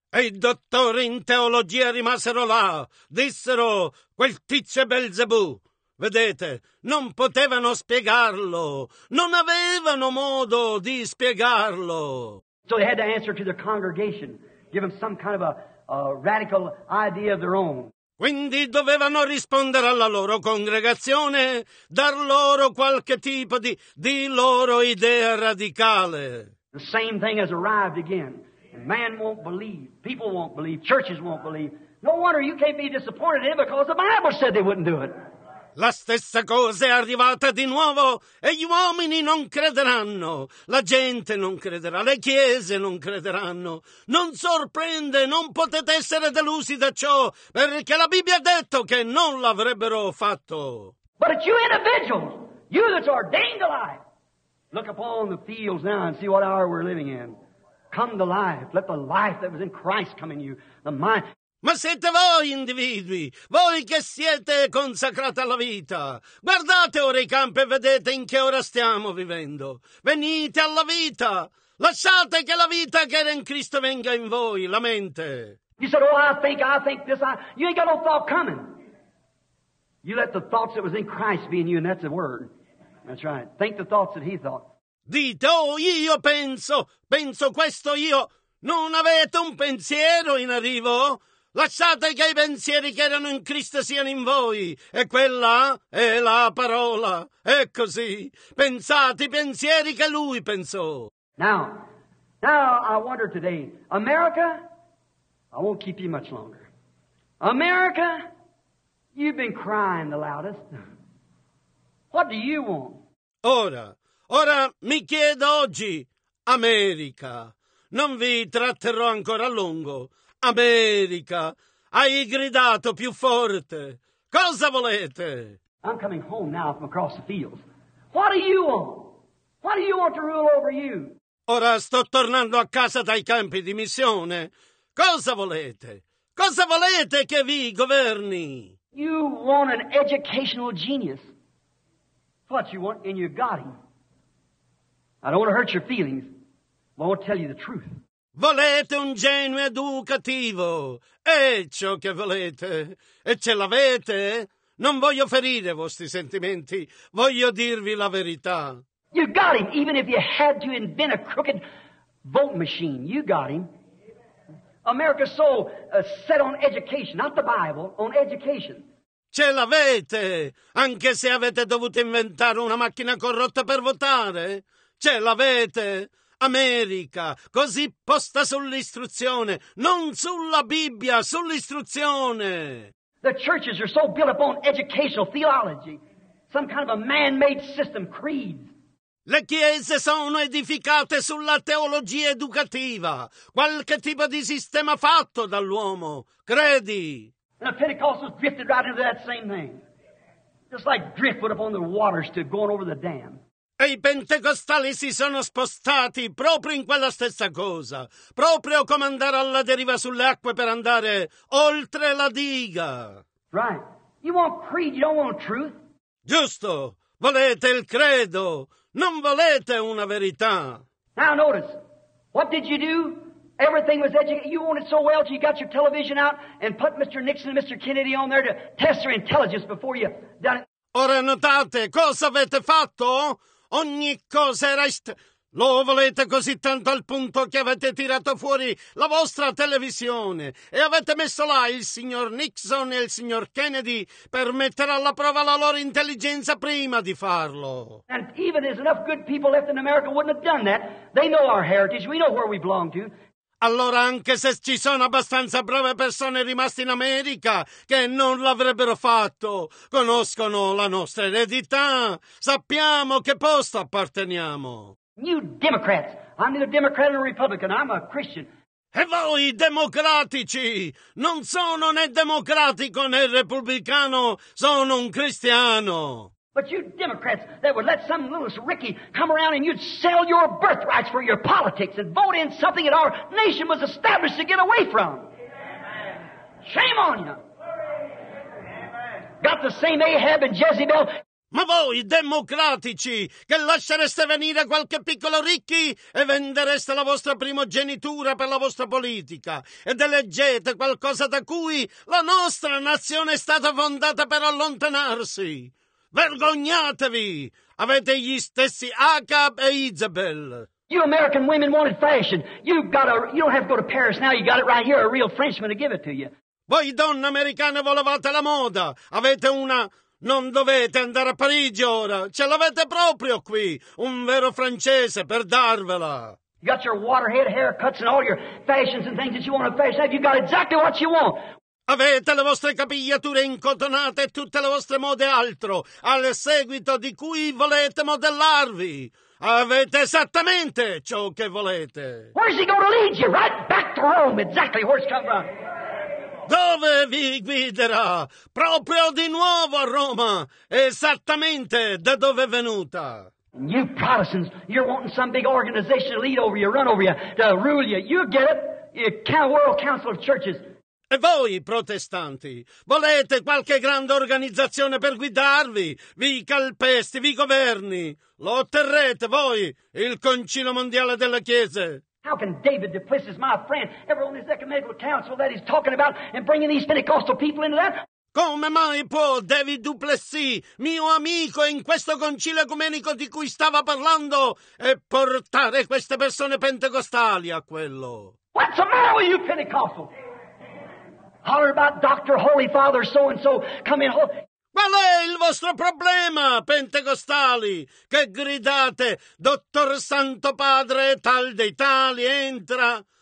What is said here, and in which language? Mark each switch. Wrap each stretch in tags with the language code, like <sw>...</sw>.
<it>E i dottori in teologia rimasero là, dissero, quel tizio è Belzebù. Vedete, non potevano spiegarlo, non avevano modo di spiegarlo.</it> <en>So they had to answer to their congregation, give them some kind of a radical idea of their own.</en> <it>Quindi dovevano rispondere alla loro congregazione, dar loro qualche tipo di loro idea radicale.</it> <en>The same thing has arrived again. And man won't believe, people won't believe, churches won't believe. No wonder you can't be disappointed in it because the Bible said they wouldn't do it.</en> <it>La stessa cosa è arrivata di nuovo e gli uomini non crederanno, la gente non crederà, le chiese non crederanno. Non sorprende, non potete essere delusi da ciò, perché la Bibbia ha detto che non l'avrebbero fatto.</it> <en>But it's you individuals, you that's ordained to life. Look upon the fields now and see what hour we're living in. Come to life, let the life that was in Christ come in you, the mind.</en> <it>Ma siete voi individui, voi che siete consacrati alla vita. Guardate ora i campi e vedete in che ora stiamo vivendo. Venite alla vita, lasciate che la vita che era in Cristo venga in voi, la mente.</it> <en>You said, oh, I think this, you ain't got no thought coming. You let the thoughts that was in Christ be in you, and that's a word. That's right. Think the thoughts that he thought.</en> <it>Dite, oh, io penso questo io. Non avete un pensiero in arrivo? Lasciate che i pensieri che erano in Cristo siano in voi, e quella è la parola. È così. Pensate i pensieri che lui pensò.</it> <en>Now I wonder today, America, I won't keep you much longer. America, you've been crying the loudest. What do you want?</en> <it>Ora mi chiedo oggi, America, non vi tratterrò ancora a lungo. America, hai gridato più forte. Cosa volete?</it> <en>I'm coming home now from across the fields. What do you want? What do you want to rule over you?</en> <it>Ora sto tornando a casa dai campi di missione. Cosa volete? Cosa volete che vi governi?</it> <en>You want an educational genius. What you want and you got him. I don't want to hurt your feelings, but I want to tell you the truth.</en> <it>Volete un genio educativo, è ciò che volete, e ce l'avete. Non voglio ferire i vostri sentimenti, voglio dirvi la verità.</it> <en>You got him, even if you had to invent a crooked vote machine, you got him. America's so set on education, not the Bible, on education.</en> <it>Ce l'avete, anche se avete dovuto inventare una macchina corrotta per votare, ce l'avete. America, così posta sull'istruzione, non sulla Bibbia, sull'istruzione.</it> <en>The churches are so built upon educational theology, some kind of a man-made system, creeds.</en> <it>Le chiese sono edificate sulla teologia educativa, qualche tipo di sistema fatto dall'uomo, credi.</it> <en>And the Pentecostals drifted right into that same thing. Just like driftwood upon the waters to going over the dam.</en> <it>E i pentecostali si sono spostati proprio in quella stessa cosa, proprio come andare alla deriva sulle acque per andare oltre la diga.</it> <en>Right. You want creed, you don't want truth.</en> <it>Giusto. Volete il credo, non volete una verità.</it> <en>Now notice, what did you do? Everything was educated. You wanted so well till you got your television out and put Mr. Nixon and Mr. Kennedy on there to test their intelligence before you done it.</en> <it>Ora notate, cosa avete fatto? Ogni cosa era lo volete così tanto al punto che avete tirato fuori la vostra televisione e avete messo là il signor Nixon e il signor Kennedy per mettere alla prova la loro intelligenza prima di farlo.</it> <en>And even there's enough good people left in America wouldn't have done that. They know our heritage, we know where we belong to.</en> <it>Allora anche se ci sono abbastanza brave persone rimaste in America che non l'avrebbero fatto, conoscono la nostra eredità, sappiamo che posto apparteniamo.</it> <en>You Democrats, I'm neither Democrat nor Republican, I'm a Christian.</en> <it>E voi democratici, non sono né democratico né repubblicano, sono un cristiano.</it> <en>But you Democrats that would let some little Ricky come around and you'd sell your birthrights for your politics and vote in something that our nation was established to get away from. Amen. Shame on you. Amen. Got the same Ahab and Jezebel.</en> <it>Ma voi democratici che lascereste venire qualche piccolo Ricky e vendereste la vostra primogenitura per la vostra politica ed eleggete qualcosa da cui la nostra nazione è stata fondata per allontanarsi. Vergognatevi! Avete gli stessi Acab e Isabel.</it> <en>You American women wanted fashion. You don't have to go to Paris now. You got it right here. A real Frenchman to give it to you.</en> <it>Voi donne americane volevate la moda. Avete una. Non dovete andare a Parigi ora. Ce l'avete proprio qui. Un vero francese per darvela.</it> <en>You got your waterhead haircuts and all your fashions and things that you want to fashion. You got exactly what you want.</en> <it>Avete le vostre capigliature incotonate e tutte le vostre mode altro, al seguito di cui volete modellarvi. Avete esattamente ciò che volete.</it> <en>Where's he gonna lead you? Right back to Rome, exactly where it's come from.</en> <it>Dove vi guiderà? Proprio di nuovo a Roma, esattamente da dove è venuta.</it> <en>You Protestants, you're wanting some big organization to lead over you, run over you, to rule you. You get it? The World Council of Churches.</en> <it>E voi, protestanti, volete qualche grande organizzazione per guidarvi? Vi calpesti, vi governi. Lo otterrete voi, il Concilio Mondiale della Chiesa.</it> <en>How can David Duplessis, my friend, ever on this ecumenical council that he's talking about and bringing these Pentecostal people into that?</en> <it>Come mai può David Duplessis, mio amico, in questo concilio ecumenico di cui stava parlando e portare queste persone pentecostali a quello?</it> <en>What's the matter with you Pentecostal? Holler about Dr. Holy Father so-and-so coming home.</en> <it>Qual è il vostro problema, pentecostali, che gridate, Dottor Santo Padre, tal dei tali, entra?</it>